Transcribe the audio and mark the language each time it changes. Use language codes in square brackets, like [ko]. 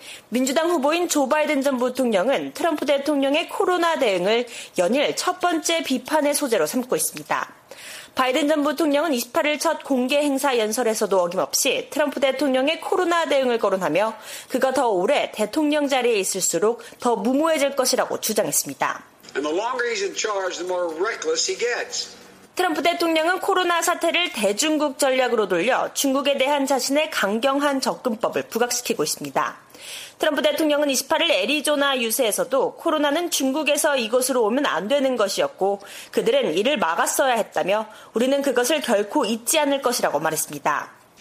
[ko] 민주당 후보인 조 바이든 전 부통령은 트럼프 대통령의 코로나 대응을 연일 첫 번째 비판의 소재로 삼고 있습니다. 바이든 전 부통령은 28일 첫 공개 행사 연설에서도 어김없이 트럼프 대통령의 코로나 대응을 거론하며 그가 더 오래 대통령 자리에 있을수록 더 무모해질 것이라고 주장했습니다. [en] And the longer he's in charge, the more reckless he gets. [ko] 트럼프 대통령은 코로나 사태를 대중국 전략으로 돌려 중국에 대한 자신의 강경한 접근법을 부각시키고 있습니다. 트럼프 대통령은 28일 애리조나 유세에서도 코로나는 중국에서 이곳으로 오면 안 되는 것이었고 그들은 이를 막았어야 했다며 우리는 그것을 결코 잊지 않을 것이라고 말했습니다.